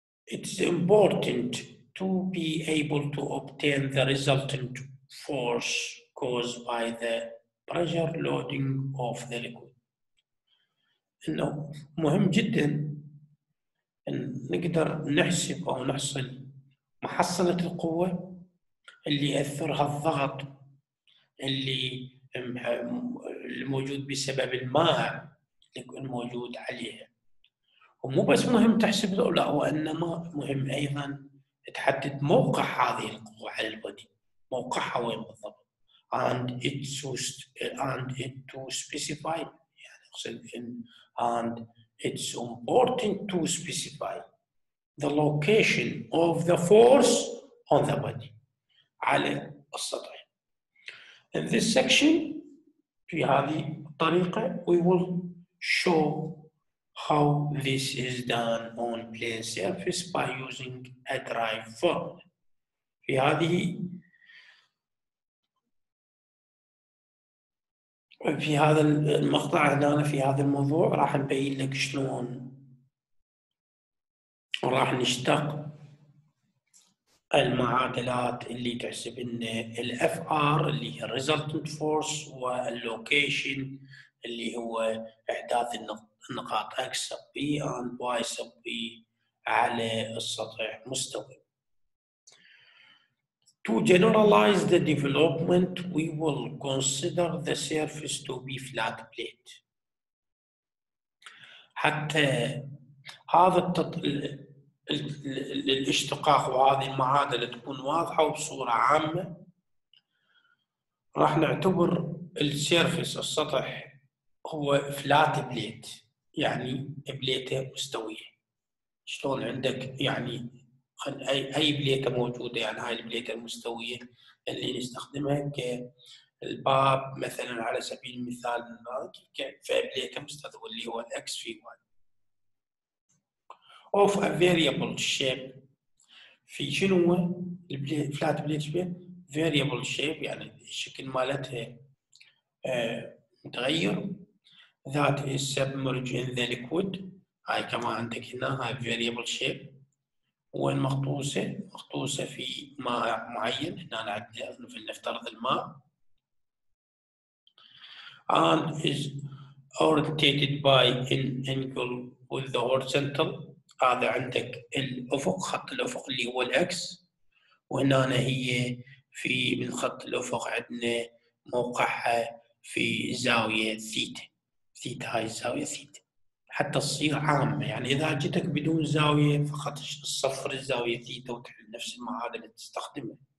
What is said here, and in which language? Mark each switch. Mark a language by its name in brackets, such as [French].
[English] it's important to be able to obtain the resultant force caused by the pressure loading of the liquid. [Arabic] إنه مهم جدا إن نقدر نحسب أو نحصل محصلة القوة اللي أثرها الضغط اللي الموجود بسبب الماء الموجود عليها. ومو بس مهم تحسب لا، وإنما مهم أيضا تحدد موقع هذه القوة على البدي، موقعها وين بالضبط. [English] And it's to specify [Arabic] يعني أقصد إن [English] and it's important to specify the location of the force on the body [Arabic] على السطح. [English] In this section [Arabic] في هذه الطريقة [English] we will show how this is done on plane surface by using a drive formula. [Arabic] في هذه في هذا المقطع هنا في هذا الموضوع راح نبين لك شلون وراح نشتق المعادلات اللي تحسب ان الاف ار اللي هي [English] resultant force [Arabic] واللوكيشن اللي هو احداث النقاط [English] x sub b and y sub b [Arabic] على السطح مستوي. [English] To generalize the development, we will consider the surface to be flat plate. [Arabic] حتى هذا الاشتقاق وهذه المعادلة تكون واضحة وبصورة عامة، راح نعتبر السيرفيس السطح هو [English] flat plate، [Arabic] يعني بليته مستوية. شلون عندك يعني اي بليته موجوده، يعني هاي البليته المستويه اللي نستخدمها كالباب مثلا على سبيل المثال، فبليته مستوية اللي هو x في y [English] of a variable shape. [Arabic] في شنو هو الفلات بليت؟ [English] variable shape [Arabic] يعني الشكل مالتها متغير، [English] that is submerged in the liquid. [Arabic] هاي كمان عندك هنا هاي [English] variable shape [Arabic] وين مغطوسة؟ مغطوسة في ماء معين. هنا عندنا في نفترض الماء. [English] And is orientated by an angle with the horizontal. [Arabic] هذا عندك الأفق، خط الأفق اللي هو الأكس. وهنا هي في من خط الأفق عندنا موقعها في زاوية ثيتا. ثيتا هاي زاوية ثيتا. حتى تصير عامة، يعني إذا جيتك بدون زاوية فقط تصفر الزاوية ثيتا وتحل نفس المعادلة تستخدمها.